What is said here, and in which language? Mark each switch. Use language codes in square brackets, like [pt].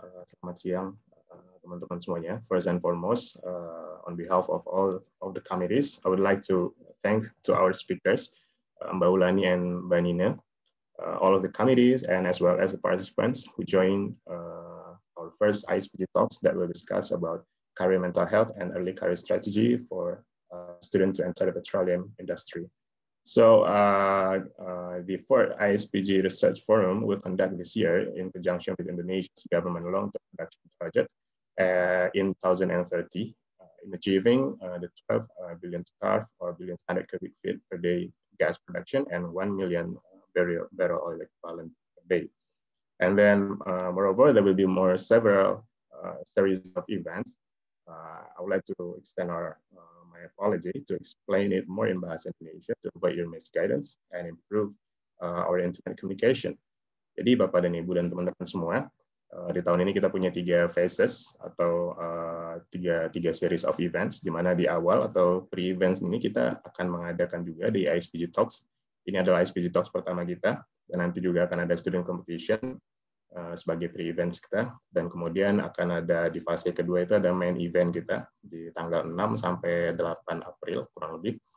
[id] Selamat siang, teman-teman semuanya. [en] First and foremost, on behalf of all of the committees, I would like to thank to our speakers, Mbak Ulani and Mbak Nina, all of the committees, and as well as the participants who joined our first ISPG talks that will discuss about career mental health and early career strategy for students to enter the petroleum industry. So the fourth ISPG Research Forum will conduct this year in conjunction with Indonesia's government long-term production project in 2030. In achieving the 12 billion scf or billion standard cubic feet per day gas production and 1 million barrel oil equivalent per day. And then moreover, there will be more several series of events. I would like to extend our my apology to explain it more in Bahasa Indonesia to avoid your misguidance and improve our internet communication. [id] Jadi Bapak dan Ibu dan teman-teman semua, di tahun ini kita punya tiga phases atau tiga [en] series of events, [id] di mana di awal atau pre-events ini kita akan mengadakan juga di ISPG Talks. Ini adalah ISPG Talks pertama kita, dan nanti juga akan ada student competition sebagai pre-events kita, dan kemudian akan ada di fase kedua itu ada main event kita di tanggal 6 sampai 8 April kurang lebih.